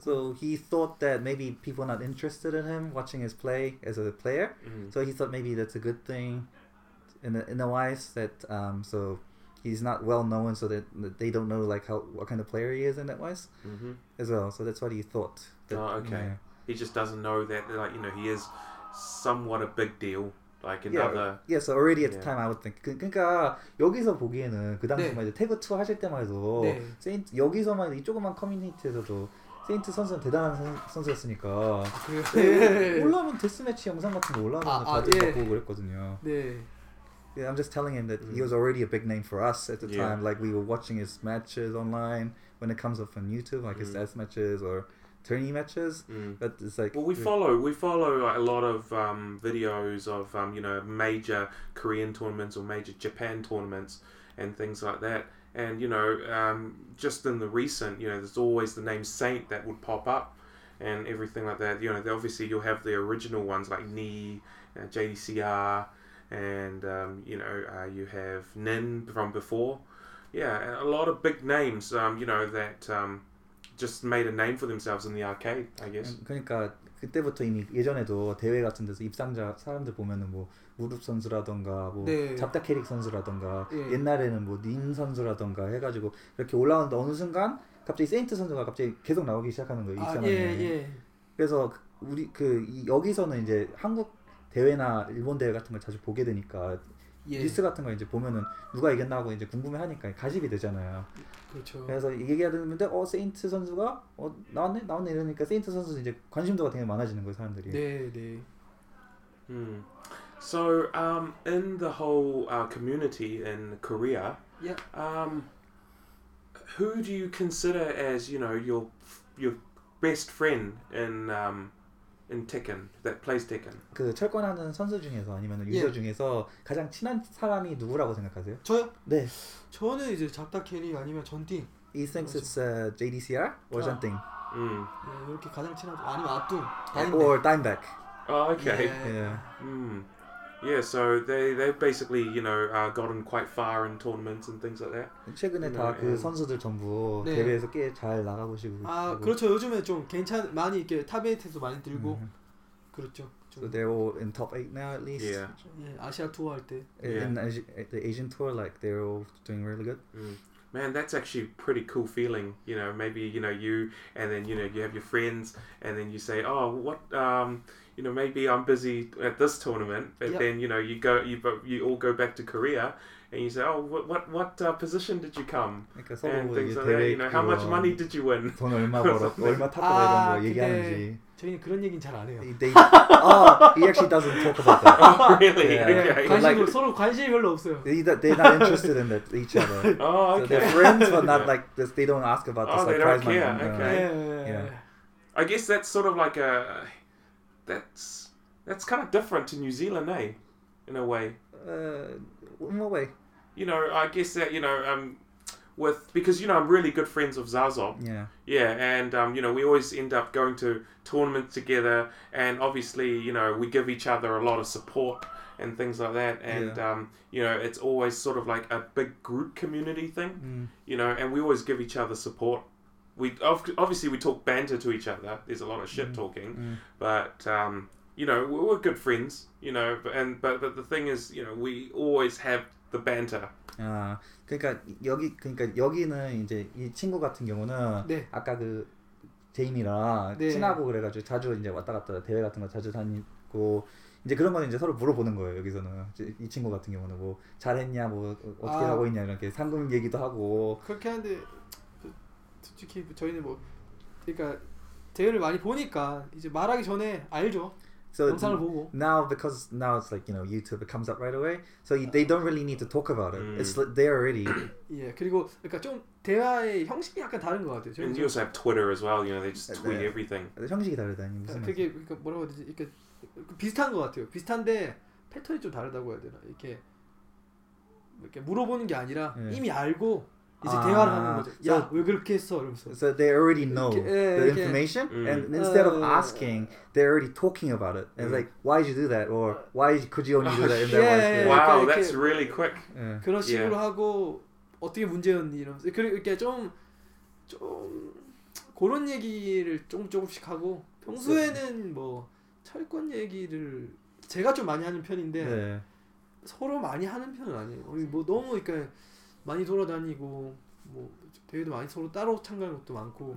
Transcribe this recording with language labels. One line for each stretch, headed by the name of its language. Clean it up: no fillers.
English: So he thought that maybe people are not interested in him watching his play as a player. So he thought maybe that's a good thing in a wise that so he's not well known so that they don't know like how what kind of player he is in that wise. As well. So that's what he thought. He just doesn't know that like you know he is somewhat a big deal. Like another. Yeah, so already at the time I would think.
Korean: 그러니까 여기서 보기에는 그 당시만 해도 태그 2 하실 때만 해도 세인트 여기서만 해도 이 조그만 커뮤니티에서도 세인트 선수는 대단한 선수였으니까. 올라오면 데스매치 영상 같은 거 올라오는 거 다들 보고 그랬거든요. 네.
English: Yeah, I'm just telling him that he was already a big name for us at the time. Like we were watching his matches online when it comes up on YouTube, like his death matches or. Tourney matches, but it's like well, we follow like a lot of videos of you know major Korean tournaments or major Japan tournaments and things like that, and you know just in the recent you know there's always the name Saint that would pop up, and everything like that. You know, obviously you'll have the original ones like Nii, JDCR, and you know, you have Nin from before. Yeah, a lot of big names. You know, that just made a name for themselves in the arcade, I guess.
Korean: 그러니까 그때부터 이미 예전에도 대회 같은 데서 입상자 사람들 보면은 뭐 무릎 선수라던가 뭐 네. 잡다 캐릭 선수라던가 네. 옛날에는 뭐 닌 선수라던가 해가지고 이렇게 올라오는데 어느 순간 갑자기 세인트 선수가 갑자기 계속 나오기 시작하는 거예요. 입상하는 아, 예, 예. 그래서 우리 그 여기서는 이제 한국 대회나 일본 대회 같은 걸 자주 보게 되니까 예. 뉴스 같은 걸 이제 보면은 누가 이겼나 하고 이제 궁금해하니까 가십이 되잖아요. 그렇죠. 그래서 얘기해야 되는데 어 세인트 선수가 어 나왔네 나왔네 이러니까 세인트 선수 이제 관심도가 되게 많아지는 거예요 사람들이. 네, 네.
English: So in the whole community in Korea, yeah. Who do you consider as you know your best friend in Tekken that plays Tekken?
Korean: 그 철권하는 선수 중에서 아니면 유저
English: yeah.
Korean: 중에서 가장 친한 사람이 누구라고 생각하세요? 저요? 네. 저는 이제 잡다 캐리 아니면 전띵.
English: He thinks it's JDCR or 전띵.
Korean: 아. 네, 이렇게 가장 친한 아니면 아뚜.
English: Or Dimebag. Oh, okay. Yeah. Yeah. Mm. Yeah, so they've basically, you know, gotten quite far in tournaments and things like that.
Korean: 최근에 다 그 선수들 전부 네. 대회에서 꽤 잘 나가보시고. 아, 그렇죠. 요즘에 좀 괜찮 많이 이렇게 탑 8에서 많이 들고. 그렇죠. 좀.
English: So they're all in top 8 now at least. Yeah.
Korean: Yeah, 아시아 투어 할 때.
English: Yeah. In the Asian tour, like they're all doing really good. Mm. Man, that's actually a pretty cool feeling. You know, maybe you know you, and then you know you have your friends, and then you say, oh, what? You know, maybe I'm busy at this tournament, but yep. then you know you go, you all go back to Korea, and you say, oh, what position did you come? Like and things like that. You know, how much money did you win?
Korean: 돈 얼마 벌어? 얼마 탔다 이런 거 얘기하는지. 저희는 그런 얘기는 잘 안 해요.
English: They, oh, he actually doesn't talk about that. Really? Yeah. Okay.
Korean: 관심,
English: like,
Korean: 서로 관심이 별로 없어요.
English: They're not interested in that, each other. Oh, okay. So they're friends, but not yeah. like this. They don't ask about oh, Oh, like, they prize don't care. Money, okay. Right? Yeah. I guess that's sort of like a that's kind of different to New Zealand, eh? In a way. In what way? You know, I guess that you know. With because you know I'm really good friends with Zazob. Yeah. Yeah, and you know we always end up going to tournaments together, and obviously you know we give each other a lot of support and things like that, and yeah. You know it's always sort of like a big group community thing, mm. you know, and we always give each other support. We obviously we talk banter to each other. There's a lot of shit mm. talking, mm. but you know we're good friends. You know, but the thing is, you know, we always have the banter.
Korean: 아, 그러니까 여기는 이제 이 친구 같은 경우는 네. 아까 그 제임이랑 네. 친하고 그래가지고 자주 이제 왔다 갔다 대회 같은 거 자주 다니고 이제 그런 거는 이제 서로 물어보는 거예요 여기서는 이 친구 같은 경우는 뭐 잘했냐 뭐 어떻게 아, 하고 있냐 이렇게 상금 얘기도 하고 그렇게 하는데 솔직히 저희는 뭐 그러니까 대회를 많이 보니까 이제 말하기 전에 알죠.
English: So now, because now it's like, you know, YouTube, it comes up right away. So they don't really need to talk about it. Mm. It's like they're already.
Korean: Yeah, 그리고 그러니까 좀 대화의 형식이 약간 다른 것 같아요. 저희는
English: and you also have Twitter as well, you know, they just tweet
Korean: 네.
English: everything.
Korean: 형식이 다르다니, 무슨 말이야? 그게 그러니까 뭐라고 해야 되지? 그러니까 비슷한 것 같아요. 비슷한데 패턴이 좀 다르다고 해야 되나? 이렇게 물어보는 게 아니라 네. 이미 알고 이제 대화를 하는 거죠. 야, 왜 그렇게 했어? 이러면서.
English: So they already know
Korean: 이렇게, 예,
English: the information,
Korean: 예.
English: And instead of asking, they're already talking about it. And
Korean: 예.
English: Like, why did you do that? Or why could you only do that in that
Korean: 예,
English: Wow,
Korean: 이렇게,
English: that's really quick.
Korean: 예. 그런 식으로 하고 어떻게 문제였니? 이러면서 그리고 이렇게 좀 그런 얘기를 조금씩 하고 평소에는 뭐 철권 얘기를 제가 좀 많이 하는 편인데 네. 서로 많이 하는 편은 아니에요. 뭐 너무 그러니까. 많이 돌아다니고 뭐 대회도 많이 서로 따로 참가하는 것도 많고